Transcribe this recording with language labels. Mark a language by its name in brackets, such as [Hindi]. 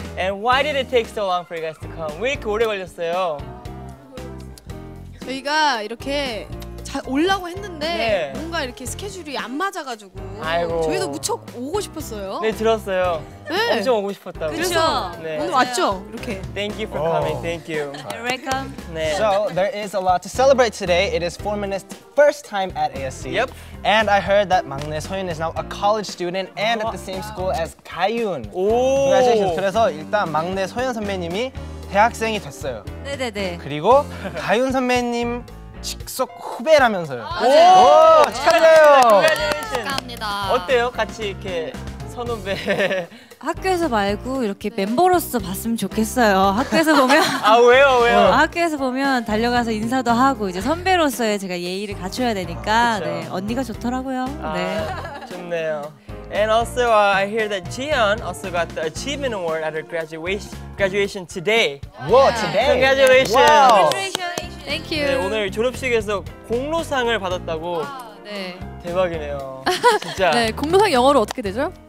[English] And why did it take so long for you guys to come? [Korean] 왜 이렇게 오래 걸렸어요? 저희가 이렇게 오려고 했는데 네. 뭔가 이렇게 스케줄이 안 맞아가지고 아이고. 저희도 무척 오고 싶었어요. 네, 들었어요. 네. 엄청 오고 싶었다고. 그렇죠. 네. 오늘 왔죠, 이렇게. [English] Thank you for coming, thank you. You're welcome. [Korean] 네. [English] So, there is a lot to celebrate today. It is 4 minutes first time at ASC. Yep. And I heard that 막내 소윤 is now a college student and at the same school as 가윤. 오! Congratulations. [Korean] 그래서 일단 막내 소윤 선배님이 대학생이 됐어요. 네네네. 그리고 가윤 선배님 직속 후배라면서요. 아, 오! 오! 축하드려요! [English] Congratulations. [Korean] 감사합니다. 어때요? 같이 이렇게 선후배. 학교에서 말고 이렇게 네. 멤버로서 봤으면 좋겠어요. 학교에서 보면 아 왜요 왜요? 어, 학교에서 보면 달려가서 인사도 하고 이제 선배로서의 제가 예의를 갖춰야 되니까 아, 네, 언니가 좋더라고요. 아, 네 좋네요. [English] And also I hear that Jihyun also got the achievement award at her graduation today. Wow, today. Congratulations. Wow. Congratulations. Thank you. [Korean] 네, 오늘 졸업식에서 공로상을 받았다고. 아, 네. 대박이네요. 진짜. 네 공로상 영어로 어떻게 되죠?